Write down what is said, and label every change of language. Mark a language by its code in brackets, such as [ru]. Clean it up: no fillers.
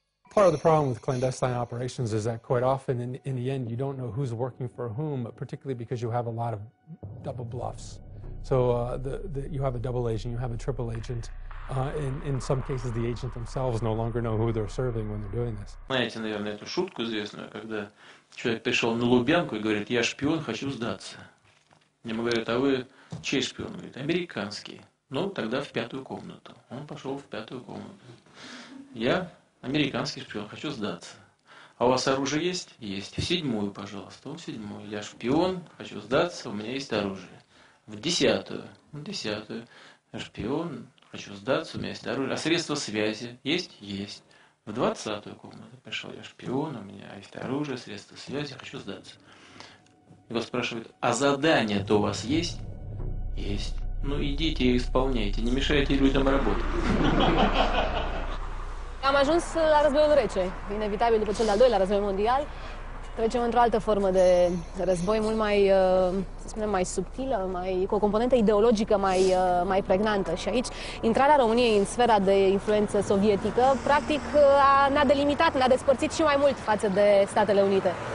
[en] Part of the problem with clandestine operations is that quite often in the end you don't know who's working for whom, particularly because you have a lot of double bluffs. So you have a double agent, you have a triple agent. In some cases, the agents themselves no longer know who they're serving when they're doing this. [ru] Знаете, наверное, эту шутку известную, когда человек пришел на Лубянку и говорит: «Я шпион, хочу сдаться». Ему говорят: «А вы чей шпион?» Говорит: «Американский». Ну, тогда в пятую комнату. Он пошел в пятую комнату. «Я американский шпион, хочу сдаться». «А у вас оружие есть?» «Есть». «В седьмую, пожалуйста». «Он в седьмую». «Я шпион, хочу сдаться, у меня есть оружие». «В десятую». «В десятую». «Шпион, хочу сдаться, у меня есть оружие». «А средства связи есть?» «Есть». «В двадцатую комнату пришел я шпион, у меня есть оружие, средства связи, хочу сдаться». Его спрашивают: «А задание-то у вас есть?» «Есть». Ну, идите и исполняйте, не мешайте людям работать. [ro] Am ajuns la războiul rece, inevitabil după cel de-al doilea război mondial. Trecem într-o altă formă de război, mult mai, să spunem, mai subtilă, mai, cu o componentă ideologică mai, mai pregnantă. Și aici, intrarea României în sfera de influență sovietică, practic, ne-a delimitat, ne-a despărțit și mai mult față de Statele Unite.